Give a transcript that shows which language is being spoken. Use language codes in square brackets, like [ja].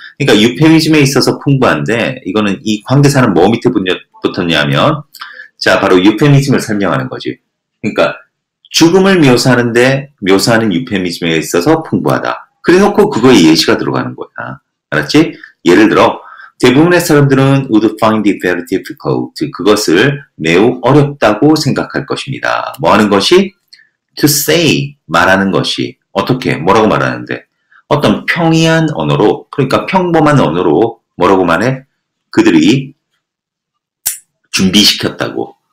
[ko] 그러니까 유페미즘에 있어서 풍부한데 이거는 이 관계사는 뭐 밑에 붙었냐면 자, 바로 유페미즘을 설명하는 거지. 그러니까 죽음을 묘사하는데 묘사하는 유페미즘에 있어서 풍부하다. 그래놓고 그거에 예시가 들어가는 거야. 알았지? 예를 들어 대부분의 사람들은 [en] would find it very difficult. [ko] 그것을 매우 어렵다고 생각할 것입니다. 뭐 하는 것이? [en] To say, [ko] 말하는 것이. 어떻게? 뭐라고 말하는데? 어떤 평이한 언어로, 그러니까 평범한 언어로 뭐라고 말해? 그들이 준비시켰다고.